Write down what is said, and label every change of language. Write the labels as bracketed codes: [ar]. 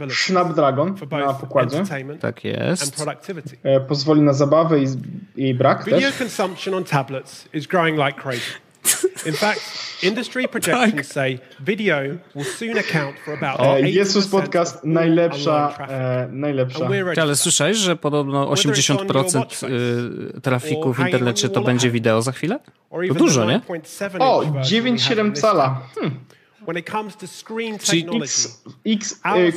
[pl] Snapdragon na pokładzie. Tak jest. Pozwoli na zabawę i jej brak też. [en] Video consumption on tablets is growing like crazy. In fact, industry projections say video will soon account for about 80%. [pl] Jesus podcast najlepsza. Ale słyszałeś, że podobno 80% trafiku w internecie to będzie wideo za chwilę? To dużo, nie? O, 9,7 cala. [en] When it comes to screen technology,